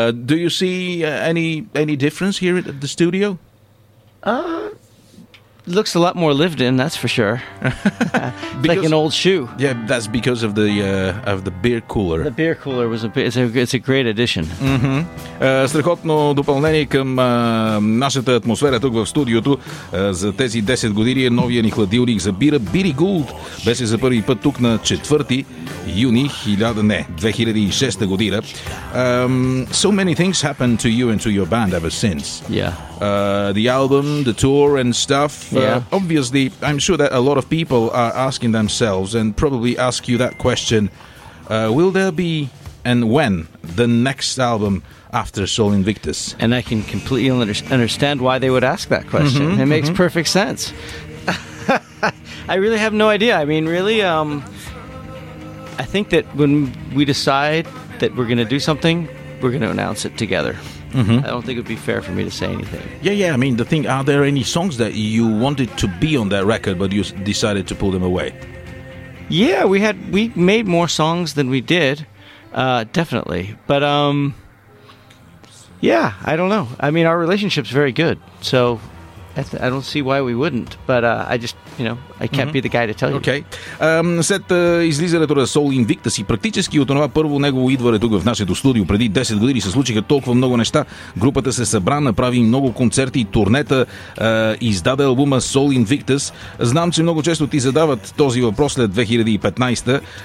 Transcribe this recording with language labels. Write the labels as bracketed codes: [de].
[en] Do you see any difference here at the studio? Looks a lot more lived in, that's for sure. Because, like an old shoe. Yeah, that's because of the beer cooler. The beer cooler was it's a great addition. Mm-hmm. [bg] Страхотно допълнение към нашата атмосфера тук в студиото за тези 10 години. Новия ни хладилник за бира Бири Гулд беше за първи път тук на 4 юни 2006 година. [en] So many things happened to you and to your band ever since. Yeah. The album, the tour and stuff. Yeah. Obviously, I'm sure that a lot of people are asking themselves and probably ask you that question. Will there be and when the next album after Sol Invictus? And I can completely understand why they would ask that question. Mm-hmm, it mm-hmm. makes perfect sense. I really have no idea. I mean, really, I think that when we decide that we're going to do something, we're going to announce it together. Mm-hmm. I don't think it would be fair for me to say anything. Yeah, I mean, the thing, are there any songs that you wanted to be on that record but you decided to pull them away? Yeah, we made more songs than we did, definitely. But, yeah, I don't know. I mean, our relationship's very good, so I don't see why we wouldn't, but I just, you know, I can't mm-hmm. be the guy to tell you. Okay. [bg] След излизането на Sol Invictus и практически от това първо негово идване тук в нашето студио преди 10 години се случиха толкова много неща. Групата се събра, направи много концерти, турнета, издаде албума Sol Invictus. Знам, че много често ти задават този въпрос след 2015-та.